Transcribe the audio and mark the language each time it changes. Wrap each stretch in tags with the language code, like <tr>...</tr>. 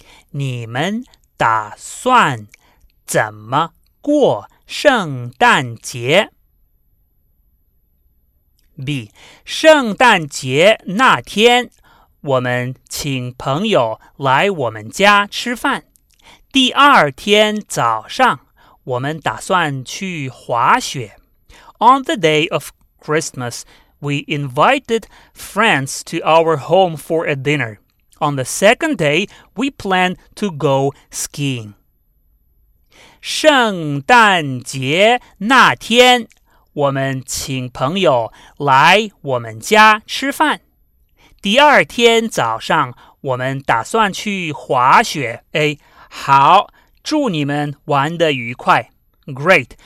<zh>你们打算怎么过圣诞节？ B. 圣诞节那天，我们请朋友来我们家吃饭。第二天早上，我们打算去滑雪。</zh> <en>On the day of Christmas,We invited friends to our home for a dinner. On the second day, we plan to go skiing.</en> <zh>圣诞节那天，我们请朋友来我们家吃饭。第二天早上，我们打算去滑雪。 A. 好，祝你们玩得愉快。</zh> <en>Great.</en>